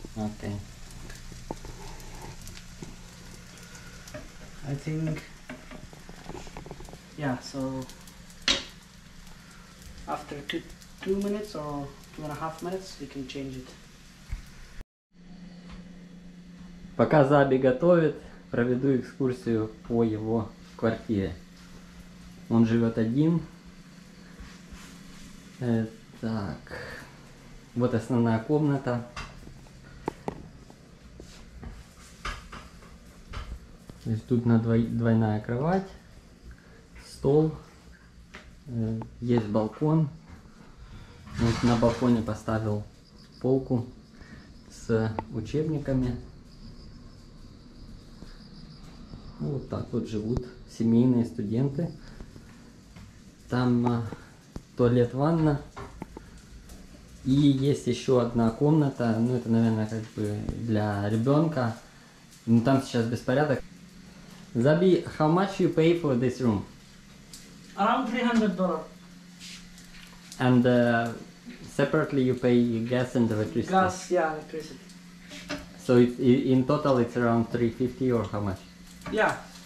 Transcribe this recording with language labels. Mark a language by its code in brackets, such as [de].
[en] Okay. I think, yeah, so after 2 minutes or 2.5 minutes, you can change it. [ru] Пока Заби готовит, проведу экскурсию по его квартире. Он живет один. Так, вот основная комната. То есть тут на двойная кровать, стол, есть балкон. Вот на балконе поставил полку с учебниками. Вот так вот живут семейные студенты. Там туалет, ванна. И есть еще одна комната, ну это, наверное, как бы для ребенка. Но там сейчас беспорядок. [en] Zabi, how much you pay for this room? Around $300. And separately you pay gas and electricity? Gas, yeah, electricity. So in total it's around $350 or how much? Yeah.